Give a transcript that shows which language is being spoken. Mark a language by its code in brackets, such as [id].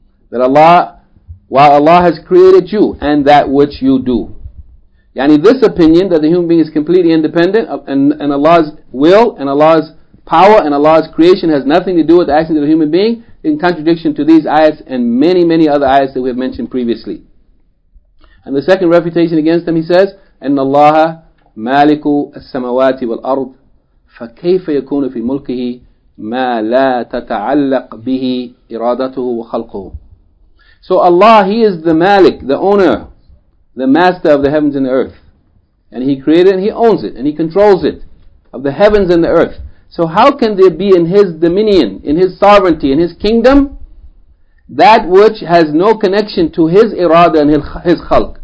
[en] That Allah, while Allah has created you and that which you do. Yani this opinion that the human being is completely independent and Allah's will and Allah's power and Allah's creation has nothing to do with the actions of a human being, in contradiction to these ayats and many, many other ayats that we have mentioned previously. And the second refutation against them, he says, [ar] أَنَّ اللَّهَ مَالِكُ السَّمَوَاتِ وَالْأَرْضِ فَكَيْفَ يَكُونُ فِي مُلْكِهِ مَا لَا تَتَعَلَّقْ بِهِ إِرَادَتُهُ وَخَلْقُهُ. [en] So Allah, He is the Malik, the owner, the master of the heavens and the earth. And He created and He owns it and He controls it, of the heavens and the earth. So how can there be in His dominion, in His sovereignty, in His kingdom, that which has no connection to His irada and His khalq?